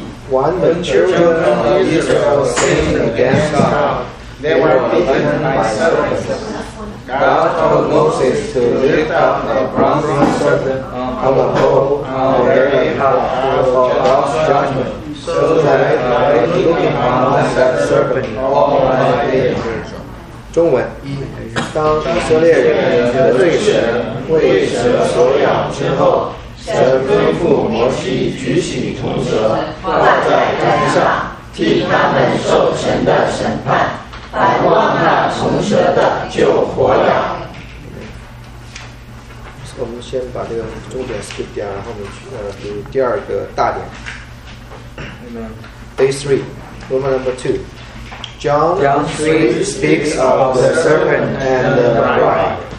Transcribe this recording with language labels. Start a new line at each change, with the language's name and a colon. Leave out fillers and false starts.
English: When the children of Israel sinned against God, they were beaten by serpents. God told Moses to lift up a bronze serpent on a pole on the very high for God's judgment, so that by looking on that serpent all might be saved.
Chinese: 中文：当以色列人的罪神为蛇所咬之后，神吩咐摩西举起铜蛇挂在杆上，替他们受神的审判，凡挂那铜蛇的就活了。我们先把这个重点 skip 掉，然后我们去读第二个大点。
English: Day three, Roman number two. John 3 speaks of the serpent and the bride.